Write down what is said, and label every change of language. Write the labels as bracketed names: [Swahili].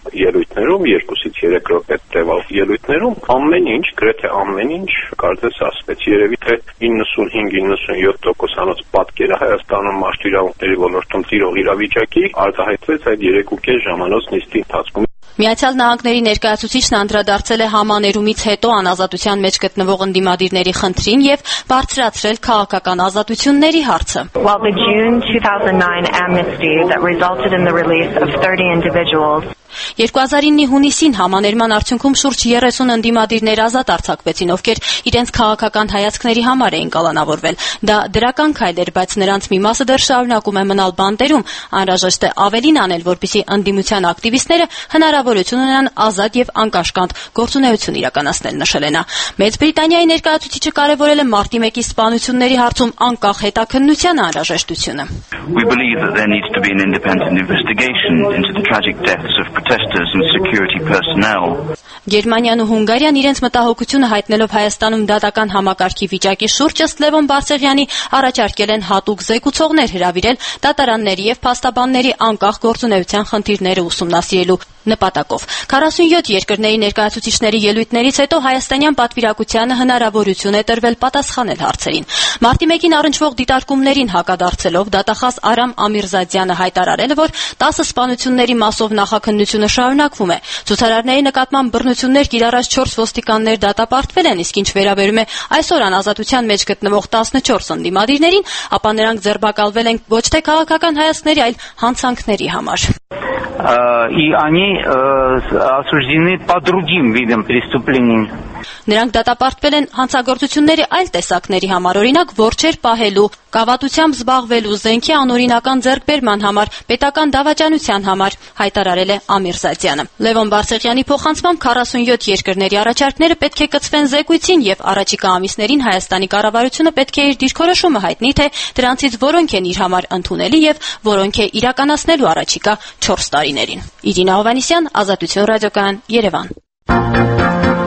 [Armenian] ելույթներում, 2-ից 3 րոպե տևալ ելույթներում, ամեն ինչ, գրեթե ամեն ինչ կարծես ասվեց, երևի թե 95-97% անց պատկերը Հայաստանում մարդու իրավունքների ոլորտում տիրող իրավիճակի արտահայտվեց այդ 3.5 ժամանոց նիստի ընթացքում։ Միացյալ Նահանգների ներկայացուցիչն անդրադարձել է համաներումից հետո անազատության մեջ գտնվող ընդդիմադիրների խնդրին և բարձրացրել քաղաքական ազատությունների հարցը։ [English] Well, the June 2009 amnesty that resulted in the release of 30 individuals. [Armenian] 2009-ի հունիսին համաներման արդյունքում շուրջ 30 ընդդիմադիրներ ազատ արձակվեցին, ովքեր իրենց քաղաքական հայացքների համար էին կալանավորվել։ Դա դրական քայլ էր, բայց նրանց մի մասը դեռ շարունակում է մնալ բանտերում, անհրաժեշտ է ավելին անել, որպեսզի ընդդիմության ակտիվիստները հնարավորություն ունենան ազատ և անկաշկանդ գործունեություն իրականացնել, նշել է նա։ Մեծ Բրիտանիայի ներկայացուցիչը կարևորել է մարտի 1-ի սպանությունների հարցում անկախ հետաքննության անհրաժեշտությունը։ [English] We believe that there needs to be an independent investigation into the tragic deaths of protesters and security personnel. [Armenian] Գերմանիան ու Հունգարիան իրենց մտահոգությունը հայտնելով Հայաստանում դատական համակարգի վիճակի շուրջ, ըստ Լևոն Բարսեղյանի, առաջարկել են հատուկ զեկուցողներ հրավիրել դատարանների և փաստաբանների անկախ գործունեության խնդիրները ուսումնասիրելու։ նպատակով։ 47 երկրների ներկայացուցիչների ելույթներից հետո Հայաստանյան պատվիրակությանը հնարավորություն է տրվել պատասխանել հարցերին։ Մարտի 1-ին առնչվող դիտարկումներին հակադարձելով դատախազ Արամ Ամիրզադյանը հայտարարել է, որ 10 սպանությունների մասով նախաքննությունը շարունակվում է։ Ցուցարարների նկատմամբ բռնություններ կիրառած 4 ոստիկաններ դատապարտվել են, իսկ ինչ վերաբերում է այսօր անազատության մեջ գտնվող 14 ընդդիմադիրներին, ապա նրանք ձերբակալվել են ոչ թե քաղաքական հայացքների, այլ հանցանքների համար։ [Russian] И они осуждены по другим видам преступлений. [Armenian] Նրանք դատապարտվել են հանցագործությունների այլ տեսակների համար, օրինակ որջեր պահելու, կավատությամբ զբաղվելու, զենքի անօրինական ձեռքբերման համար, պետական դավաճանության համար, հայտարարել է Ամիրզադյանը։ Լևոն Բարսեղյանի փոխանցումով 47 երկրների առաջարկները պետք է կցվեն զեկույցին եւ առաջիկա ամիսներին Հայաստանի կառավարությունը պետք է իր դիրքորոշումը հայտնի, թե դրանցից որոնք են իր համար ընդունելի եւ որոնք է իրականացնելու առաջիկա 4 տարիներին։ Իրինա Հովանեսյան, Ազատություն ռադիոկայան, Երևան։